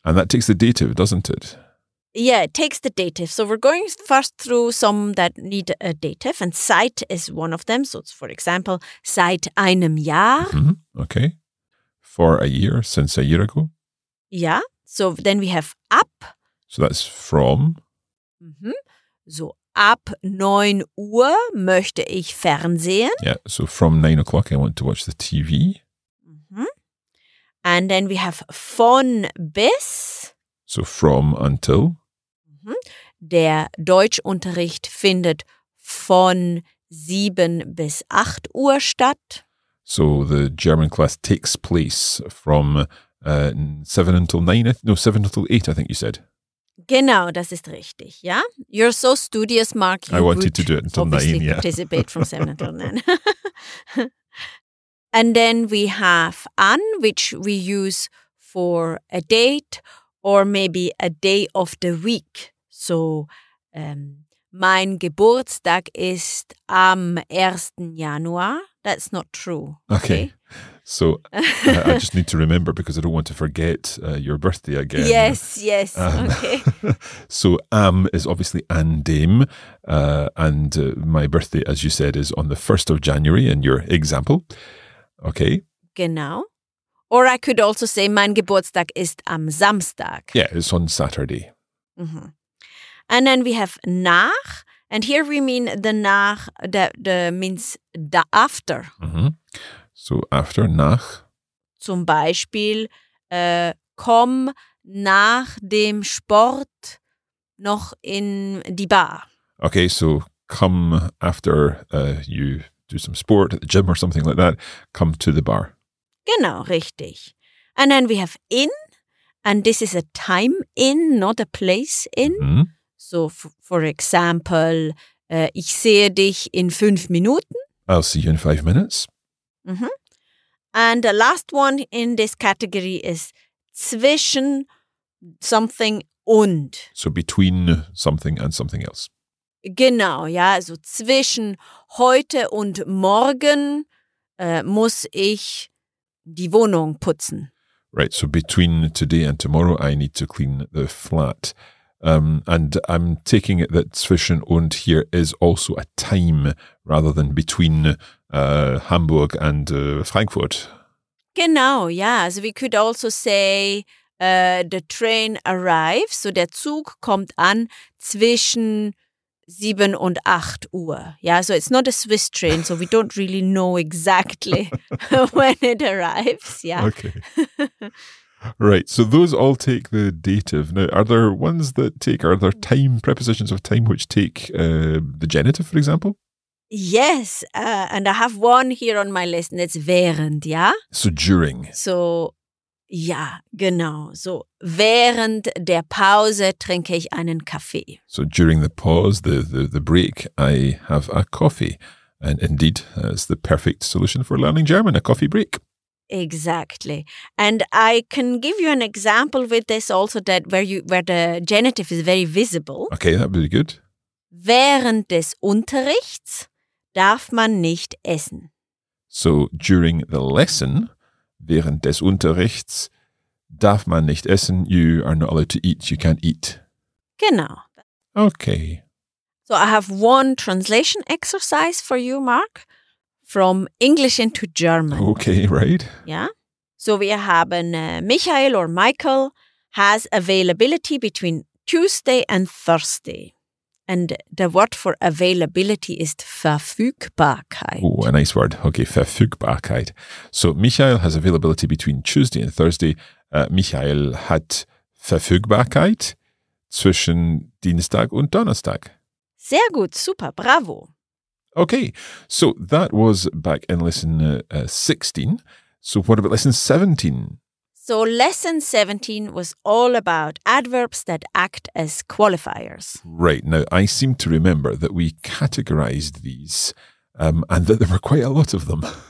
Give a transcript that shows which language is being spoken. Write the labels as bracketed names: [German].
[English] And that takes the dative, doesn't it? Yeah, it takes the dative. So we're going first through some that need a dative, and Zeit is one of them. So it's, for example, [German] seit einem Jahr. Mm-hmm. [English] Okay, for a year, since a year ago. Yeah, so then we have ab. So that's from. Mm-hmm. [German] So, ab 9 Uhr möchte ich fernsehen. [English] Yeah, so from 9 o'clock I want to watch the TV. Mm-hmm. And then we have von bis. So, from until. Mm-hmm. [German] Der Deutschunterricht findet von 7 bis 8 Uhr statt. [English] So, the German class takes place from 7 until 9, no, 7 until 8, I think you said. [German] Genau, das ist richtig, ja? [English] You're so studious, Mark. I wanted to do it until 9, yeah. Participate from 7 until 9. And then we have an, which we use for a date or maybe a day of the week. [German] So, mein Geburtstag ist am 1. [English] Januar. That's not true. Okay. So I just need to remember because I don't want to forget your birthday again. Yes. So am is obviously an dem, and my birthday, as you said, is on the 1st of January in your example. Okay. [German] Genau. [English] Or I could also say [German] mein Geburtstag ist am Samstag. [English] Yeah, it's on Saturday. Mm-hmm. And then we have nach. And here we mean the nach, the means the after. Mm-hmm. So after, nach. [German] Zum Beispiel, komm nach dem Sport noch in die Bar. [English] Okay, so come after you do some sport at the gym or something like that, come to the bar. [German] Genau, richtig. [English] And then we have in, and this is a time in, not a place in. Mm-hmm. So for example, [German] ich sehe dich in 5 Minuten. [English] I'll see you in 5 minutes. Mm-hmm. And the last one in this category is zwischen something und. So between something and something else. [German] Genau, ja, also zwischen heute und morgen muss ich die Wohnung putzen. [English] Right, so between today and tomorrow I need to clean the flat. And I'm taking it that zwischen und here is also a time rather than between Hamburg and Frankfurt. [German] Genau, ja, also [English] we could also say the train arrives, so [German] der Zug kommt an zwischen 7 und 8 Uhr. [English] Ja, so it's not a Swiss train, so we don't really know exactly when it arrives. Yeah. Okay. Right, so those all take the dative. Now, are there ones that take, are there time, prepositions of time which take the genitive, for example? Yes, and I have one here on my list, and it's während, ja? So during. [German] So, ja, genau. So, während der Pause trinke ich einen Kaffee. [English] So during the pause, the break, I have a coffee. And indeed, that's the perfect solution for learning German, a coffee break. Exactly. And I can give you an example with this also that where the genitive is very visible. Okay, that would be good. [German] Während des Unterrichts darf man nicht essen. [English] So during the lesson, [German] während des Unterrichts darf man nicht essen. [English] You are not allowed to eat. You can't eat. [German] Genau. [English] Okay. So I have one translation exercise for you, Mark. From English into German. Okay, right. Yeah. So we have Michael or Michael has availability between Tuesday and Thursday. And the word for availability is Verfügbarkeit. Oh, a nice word. Okay, Verfügbarkeit. So Michael has availability between Tuesday and Thursday. [German] Michael hat Verfügbarkeit zwischen Dienstag und Donnerstag. Sehr gut, super, bravo. [English] Okay, so that was back in lesson 16. So what about lesson 17? So lesson 17 was all about adverbs that act as qualifiers. Right, now I seem to remember that we categorized these and that there were quite a lot of them.